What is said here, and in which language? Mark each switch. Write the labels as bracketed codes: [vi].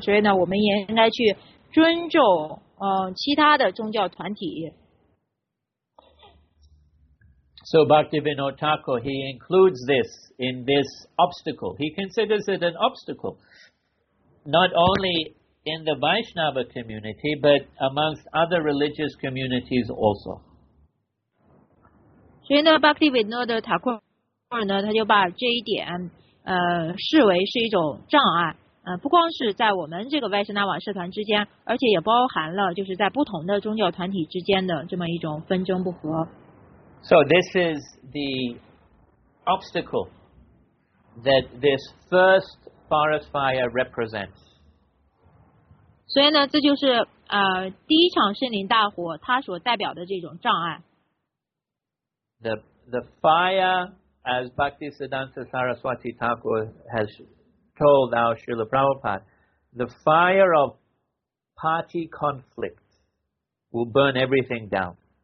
[zh] 所以呢，我们也应该去尊重其他的宗教团体。 [en] So Bhaktivinoda Thakur, he includes this in this obstacle. He considers it an obstacle, not only in the Vaishnava community, but amongst other religious communities also. So Bhaktivinoda Thakur, he considers this an obstacle. [zh] 不光是在我们这个 Vaishnava 社团之间，而且也包含了就是在不同的宗教团体之间的这么一种纷争不和。 [en] So this is the obstacle that this first forest fire represents. [zh] 所以呢，这就是第一场森林大火它所代表的这种障碍。 [en] The fire, as Bhaktisiddhanta Saraswati Thakur has told our Srila Prabhupada, the fire of party conflict will burn everything down.